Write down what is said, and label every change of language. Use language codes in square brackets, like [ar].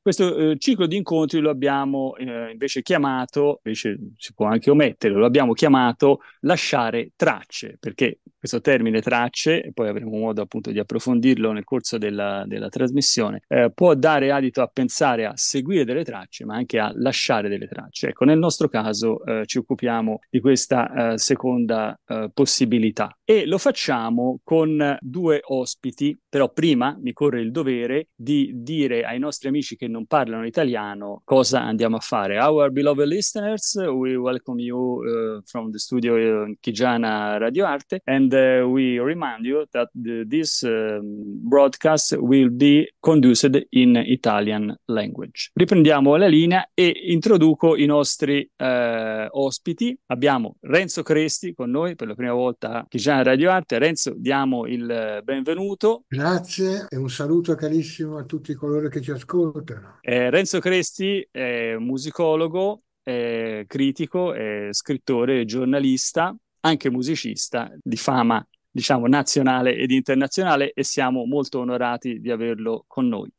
[it] Questo ciclo di incontri lo abbiamo invece chiamato, invece si può anche ometterlo, l'abbiamo chiamato lasciare tracce, perché questo termine tracce, e poi avremo modo appunto di approfondirlo nel corso della trasmissione, può dare adito a pensare a seguire delle tracce, ma anche a lasciare delle tracce. Ecco, nel nostro caso ci occupiamo di questa seconda possibilità e lo facciamo con due ospiti, però prima mi corre il dovere di dire ai nostri amici che non parlano italiano cosa andiamo a fare. [en] Our beloved listeners, we welcome you from the studio in Chigiana Radio Arte, and we remind you that this broadcast will be conducted in Italian language. [it] Riprendiamo la linea e introduco i nostri ospiti. Abbiamo Renzo Cresti con noi per la prima volta a Chigiana Radio Arte. Renzo, diamo il benvenuto. Grazie e un saluto carissimo a tutti coloro che ci ascoltano. Renzo Cresti è musicologo, è critico, è scrittore, è giornalista, anche musicista di fama, diciamo, nazionale ed internazionale, e siamo molto onorati di averlo con noi.